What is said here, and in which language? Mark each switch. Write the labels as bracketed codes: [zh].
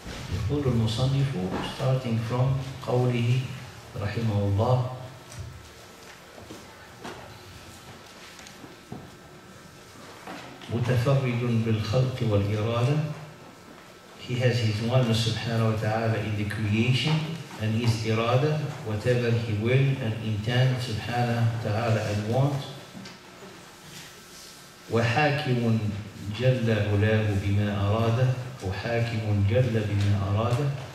[ar] يقول المصنف [en] starting from [ar] قوله رحمه الله متفرد بالخلق والإرادة. [en] He has his oneness subhanahu wa ta'ala in the creation and his irada, whatever he will and intend subhanahu wa ta'ala and want. [ar] وحاكم جل علاه بما أراد وحاكم جل بما أراد.